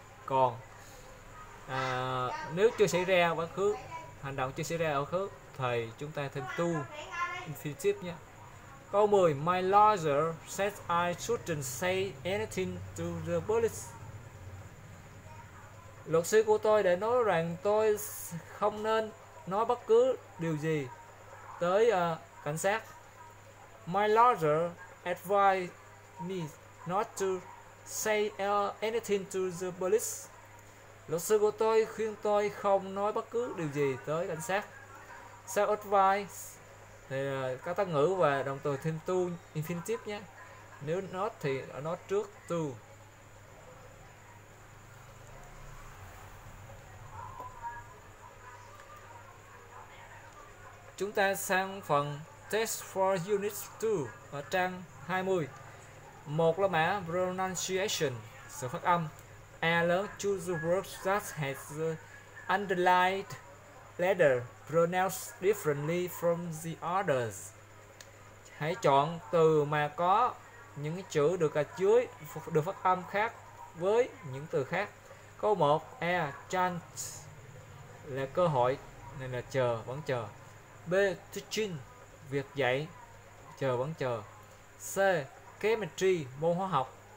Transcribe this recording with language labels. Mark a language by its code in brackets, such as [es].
[vi] Còn nếu chưa xảy ra quá khứ, hành động chưa xảy ra ở khứ, thì chúng ta thêm to infinitive nhé. Câu 10, [en] my lawyer said I shouldn't say anything to the police. [vi] Luật sư của tôi đã nói rằng tôi không nên nói bất cứ điều gì tới cảnh sát. [en] My lawyer advised me not to say anything to the police. [vi] Luật sư của tôi khuyên tôi không nói bất cứ điều gì tới cảnh sát. Sau advice thì có tân ngữ và động từ thêm to infinitive nhé. Nếu not thì not trước to. Chúng ta sang phần [en] test for unit 2 [vi] ở trang 20. Một là mã pronunciation, sự phát âm. A lớn, [en] choose the word that has the underlined letter pronounced differently from the others. [vi] Hãy chọn từ mà có những chữ được gạch dưới được phát âm khác với những từ khác. Câu 1, A, chance là cơ hội, nên là chờ, vẫn chờ. B, teaching, việc dạy, chờ, vẫn chờ. C, chemistry, môn hóa học,